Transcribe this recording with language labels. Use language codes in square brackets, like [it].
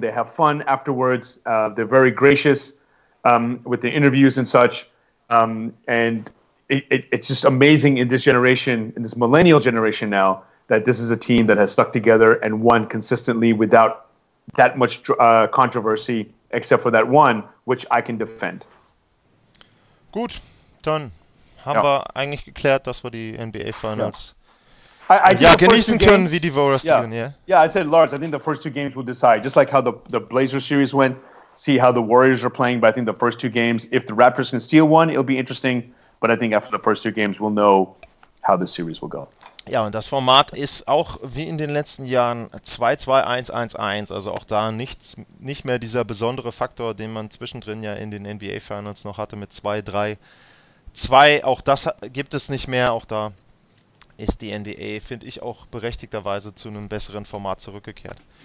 [en] They have fun afterwards. They're very gracious with the interviews and such. And it's just amazing in this generation, in this millennial generation now, that this is a team that has stuck together and won consistently without that much controversy, except for that one, which I can defend. [de] Gut, dann haben wir eigentlich geklärt, dass wir die NBA Finals genießen können, wie die Warriors tun. [en] Yeah, I said, Lars, I think the first two games will decide, just like how the Blazers series went. See how the Warriors are playing, but I think the first two games, if the Raptors can steal one, it'll be interesting. But I think after the first two games, we'll know how the series will go. [de] Ja, und das Format ist auch wie in den letzten Jahren 2-2-1-1-1. Also auch da nicht mehr dieser besondere Faktor, den man zwischendrin ja in den NBA Finals noch hatte mit 2-3-2. Auch das gibt es nicht mehr. Auch da ist die NBA, finde ich, auch berechtigterweise zu einem besseren Format zurückgekehrt.